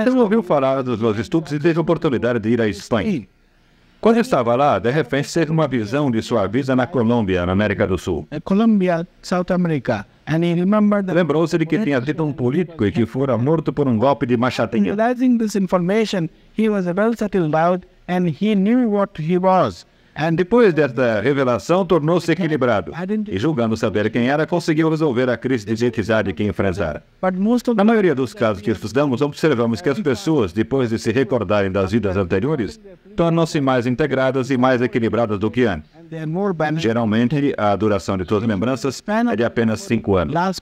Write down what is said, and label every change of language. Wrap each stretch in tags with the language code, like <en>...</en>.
<pt>Ele ouviu falar dos meus estudos e teve a oportunidade de ir à Espanha. Quando estava lá, de repente, teve uma visão de sua vida na Colômbia, na América do Sul. Colômbia,</pt> <en>South America. And he remembered that...</en> <pt>Lembrou-se de que tinha tido um político e que fora morto por um golpe de machadinha.</pt> <en>Realizing this information, he was well settled out and he knew what he was. And</en> <pt>depois desta revelação, tornou-se equilibrado. E julgando saber quem era, conseguiu resolver a crise de identidade que enfrentara. Na maioria dos casos que estudamos, observamos que as pessoas, depois de se recordarem das vidas anteriores, tornam-se mais integradas e mais equilibradas do que antes. Geralmente, a duração de suas lembranças é de apenas 5 anos.</pt>